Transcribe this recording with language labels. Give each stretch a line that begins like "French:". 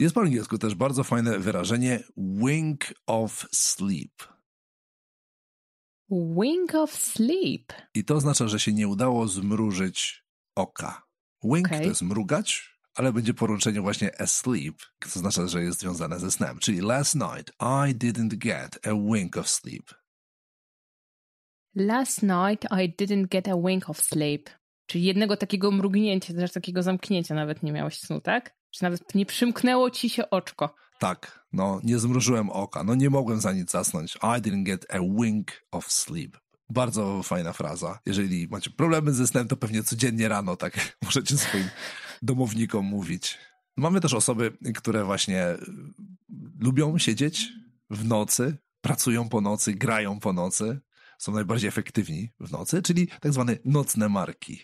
Polish: Jest po angielsku też bardzo fajne wyrażenie,
English: wink of sleep. Wink of sleep.
Polish: I to oznacza, że się nie udało zmrużyć oka. Wink okay. To jest mrugać. Ale będzie poruszenie właśnie asleep, co znaczy, że jest związane ze snem.
English: Czyli last night I didn't get a wink of sleep. Last night I didn't get a wink of sleep.
Polish: Czyli jednego takiego mrugnięcia, też takiego zamknięcia nawet nie miałeś snu, tak? Czy nawet nie przymknęło ci się oczko. Tak, no nie zmrużyłem oka, no nie mogłem za nic zasnąć.
English: I didn't get a wink of sleep.
Polish: Bardzo fajna fraza. Jeżeli macie problemy ze snem, to pewnie codziennie rano tak możecie swoim domownikom mówić. Mamy też osoby, które właśnie lubią siedzieć w nocy, pracują po nocy, grają po nocy, są najbardziej efektywni w nocy, czyli tak zwane nocne marki.